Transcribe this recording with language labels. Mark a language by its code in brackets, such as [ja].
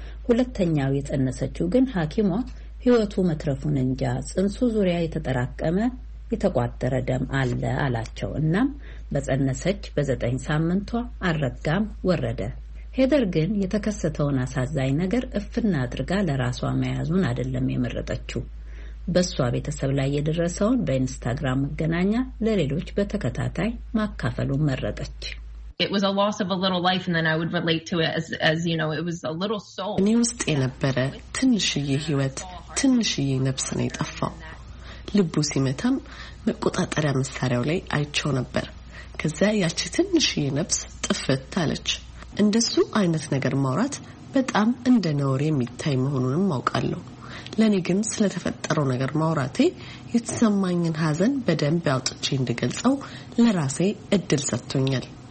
[am] ሁለተኛው የጸነሰችው ግን ሐኪሟ ህይወቱ መትረፉን እንጃ ጽንሱ ዙሪያ የተጠራቀመ የተቋጠረ ደም አለ አላቸው። እናም በጸነሰች በዘጠኝ ሳምንቷ አረጋም ወረደ። ሄደር ግን የተከሰተውን አሳዛኝ ነገር እፍና አድርጋ ለራሷ መያዙን አይደለም የመረጠችው። በሷ ቤተሰብ ላይ የደረሰውን በኢንስታግራም መገናኛ ለሌሎች በተከታታይ ማካፈሉን መረጠች። [en] It was a loss of a little life and then I would relate to it as you know it was a little soul. [am] እኔ ውስጥ የነበረ ትንሽዬ ህይወት ትንሽዬ ነፍስ ነው የጠፋው። ልቡ ሲመታም መቆጣጠሪያ መሳሪያው ላይ አይቼው ነበር። ከዛ ያቺ ትንሽዬ ነፍስ ጥፍት አለች። እንደሱ አይነት ነገር ማውራት በጣም እንደ ነውር የሚታይ መሆኑንም አውቃለሁ። ለኔ ግን ስለተፈጠረው ነገር ማውራቴ የተሰማኝን ሐዘን በደንብ አውጥቼ እንድገልጸው ለራሴ እድል ሰጥቶኛል።